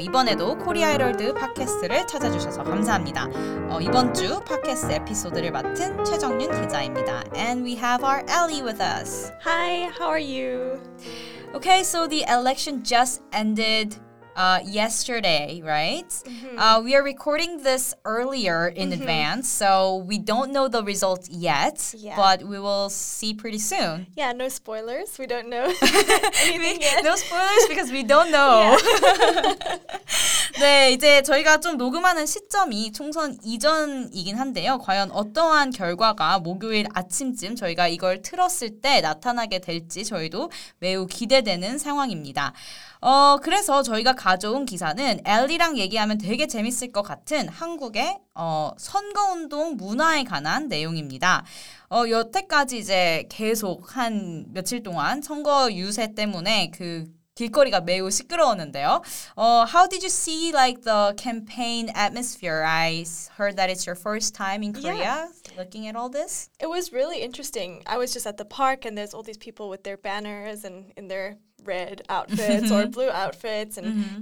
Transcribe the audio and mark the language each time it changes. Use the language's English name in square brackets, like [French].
[Korean] 이번에도 코리아 헤럴드 팟캐스트를 찾아주셔서 감사합니다. 이번 주 팟캐스트 에피소드를 맡은 최정윤 기자입니다. [English] And we have our Ellie with us. Hi, how are you? Okay, so the election just ended yesterday, right? Mm-hmm. We are recording this earlier in mm-hmm. advance, so we don't know the results yet, yeah. but we will see pretty soon. Yeah, no spoilers. We don't know anything yet. No spoilers because we don't know. Yeah. [Korean] 네, 이제 저희가 좀 녹음하는 시점이 총선 이전이긴 한데요. 과연 어떠한 결과가 목요일 아침쯤 저희가 이걸 틀었을 때 나타나게 될지 저희도 매우 기대되는 상황입니다. 그래서 저희가 가져온 기사는 엘리랑 얘기하면 되게 재밌을 것 같은 한국의 선거운동 문화에 관한 내용입니다. 여태까지 이제 계속 한 며칠 동안 선거 유세 때문에 그 길거리가 매우 시끄러웠는데요. [English] How did you see like the campaign atmosphere? I heard that it's your first time in Korea. Yeah. Looking at all this? It was really interesting. I was just at the park and there's all these people with their banners and in their red outfits or blue outfits and mm-hmm.